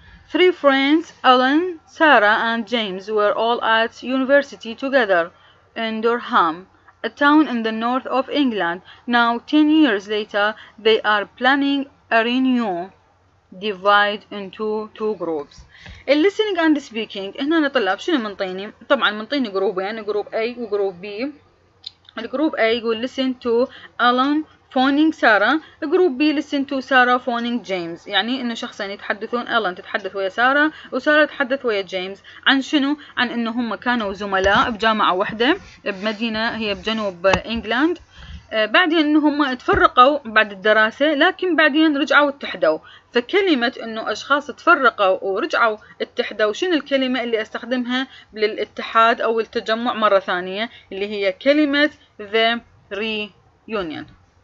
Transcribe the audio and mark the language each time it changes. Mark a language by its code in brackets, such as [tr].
[en] Three friends, Alan, Sarah, and James, were all at university together in Durham, a town in the north of England. Now, 10 years later, they are planning a reunion. Divide into two groups. The listening and speaking. [ar] هنا نطلب شنو منطيني؟ طبعاً منطيني جروبين. جروب A وجروب B. الجروب A يقول [en] listen to Alan phoning Sarah. [ar] الجروب B [en] listen to Sarah phoning James. [ar] يعني إنه شخصين يتحدثون. Alan تتحدث ويا سارة وسارة تتحدث ويا جيمس. عن شنو؟ عن إنه هم كانوا زملاء بجامعة واحدة بمدينة هي بجنوب إنجلاند. بعدين انهم تفرقوا بعد الدراسة لكن بعدين رجعوا اتحدوا فكلمة انه اشخاص تفرقوا ورجعوا اتحدوا شنو الكلمة اللي استخدمها للاتحاد او التجمع مرة ثانية اللي هي كلمة the reunion.